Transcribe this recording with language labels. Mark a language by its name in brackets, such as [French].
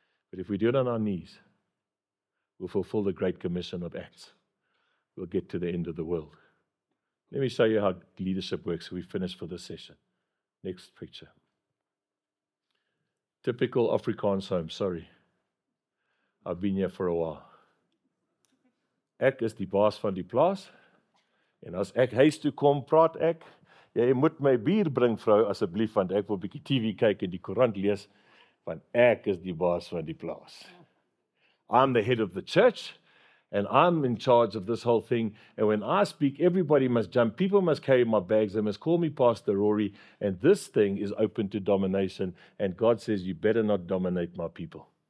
[English] But if we do it on our knees, we'll fulfill the Great Commission of Acts. We'll get to the end of the world. Let me show you how leadership works. We finish for this session. Next picture. Typical Afrikaans home. Sorry. I've been here for a while. [Afrikaans] Ek is die baas van die plaas. En as ek huis toe kom, praat ek. Jy moet my bier bring, vrou, asseblief, want ek wil 'n bietjie TV kyk en die koerant lees. Want ek is die baas van die plaas. [English] I'm the head of the church. And I'm in charge of this whole thing. And when I speak, everybody must jump. People must carry my bags. They must call me Pastor Rory. And this thing is open to domination. And God says, you better not dominate my people.